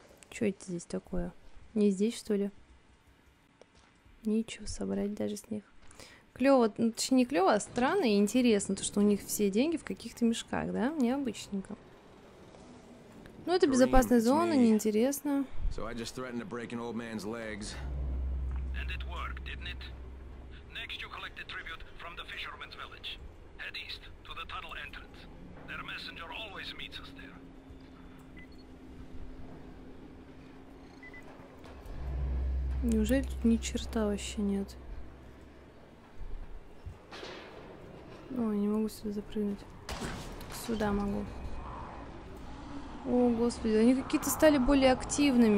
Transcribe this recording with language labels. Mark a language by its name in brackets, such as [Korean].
[Russian] Что это здесь такое? Не здесь, что ли? Ничего собрать даже с них. Клево, ну, точнее не клево, а странно и интересно, то, что у них все деньги в каких-то мешках, да? Необычненько. Ну, это безопасная зона, неинтересно. [English] So I just threatened to break an old man's legs. And it worked, didn't it? Next you collect the tribute from the fisherman's village. Head east, to the tunnel entrance. Their messenger always meets us there. [Russian] Неужели тут ни черта вообще нет? Ой, не могу сюда запрыгнуть. Сюда могу. О, господи, они какие-то стали более активными.